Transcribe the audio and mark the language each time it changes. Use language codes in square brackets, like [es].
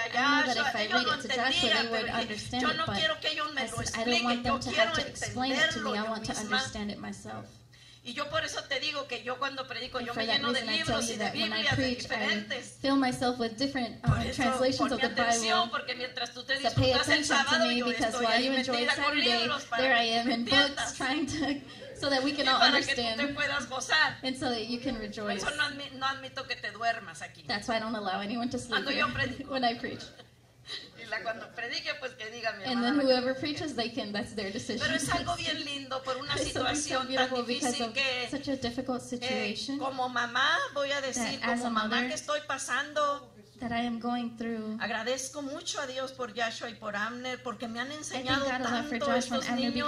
[en] I knew that if I read it to Joshua, they would understand it, but I don't want them to have to explain it to me. I want to understand it myself. [es] Y yo por eso te digo que yo cuando predico yo me lleno de libros y de Biblias diferentes. [en] I fill myself with different translations of the Bible. [es] Porque mientras tú te disfrutas el sábado, yo estoy ahí metida con libros para [en] there I am in books trying to so that we can all understand. And so that you can rejoice. [es] Por eso no admito que te duermas aquí. [en] That's why I don't allow anyone to sleep when I preach. [es] Cuando predique, pues que diga, mi [en] and then whoever preaches, they can. That's their decision. [es] Pero es algo bien lindo por una situación tan difícil [en] because of [es] que, [en] such a difficult situation. [es] Como mamá, voy a decir, como mamá que estoy pasando. [en] That I am going through. [es] Agradezco mucho a Dios por Joshua y por Amner porque me han enseñado tanto estos niños.